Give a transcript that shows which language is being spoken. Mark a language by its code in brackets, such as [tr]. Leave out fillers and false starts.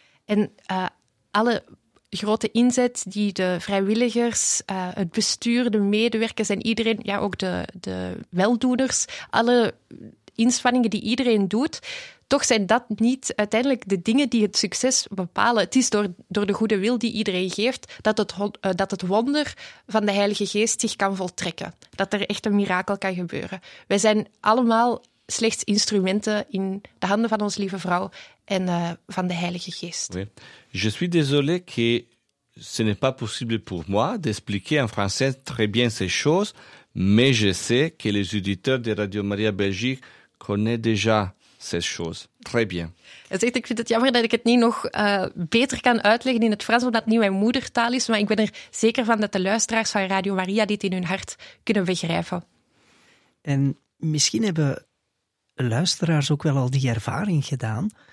[nl] En alle grote inzet die de vrijwilligers, het bestuur, de medewerkers en iedereen, ja, ook de weldoeners, alle inspanningen die iedereen doet, toch zijn dat niet uiteindelijk de dingen die het succes bepalen. Het is door de goede wil die iedereen geeft dat het wonder van de Heilige Geest zich kan voltrekken. Dat er echt een mirakel kan gebeuren. Wij zijn allemaal slechts instrumenten in de handen van onze lieve vrouw en van de Heilige Geest. [fr] Oui. Je suis désolé que ce n'est pas possible pour moi d'expliquer en français très bien ces choses, mais je sais que les auditeurs de Radio Maria Belgique connaissent déjà ces choses très bien. [nl] Hij zegt, ik vind het jammer dat ik het niet nog beter kan uitleggen in het Frans, omdat het niet mijn moedertaal is, maar ik ben er zeker van dat de luisteraars van Radio Maria dit in hun hart kunnen begrijpen. En misschien hebben luisteraars ook wel al die ervaring gedaan.